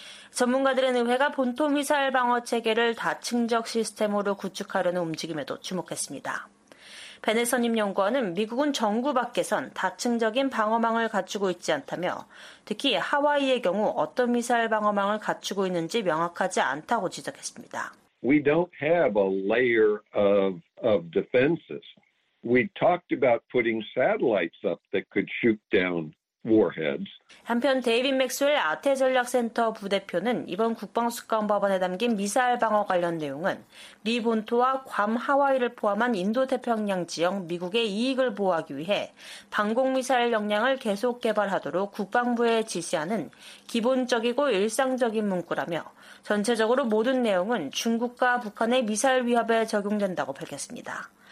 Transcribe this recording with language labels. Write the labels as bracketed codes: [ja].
[ko] 전문가들은 의회가 본토 미사일 방어 체계를 다층적 시스템으로 구축하려는 움직임에도 주목했습니다. 베넷 선임연구원은 미국은 정부 밖에선 다층적인 방어망을 갖추고 있지 않다며 특히 하와이의 경우 어떤 미사일 방어망을 갖추고 있는지 명확하지 않다고 지적했습니다. [en] We don't have a layer of defenses. We talked about putting satellites up that could shoot down warheads. [ko] 한편 데이빗 맥스웰 아태 전략센터 부대표는 이번 국방수권법안에 담긴 미사일 방어 관련 내용은 미 본토와 괌 하와이를 포함한 인도태평양 지역 미국의 이익을 보호하기 위해 방공미사일 역량을 계속 개발하도록 국방부에 지시하는 기본적이고 일상적인 문구라며 전체적으로 모든 내용은 중국과 북한의 미사일 위협에 적용된다고 밝혔습니다.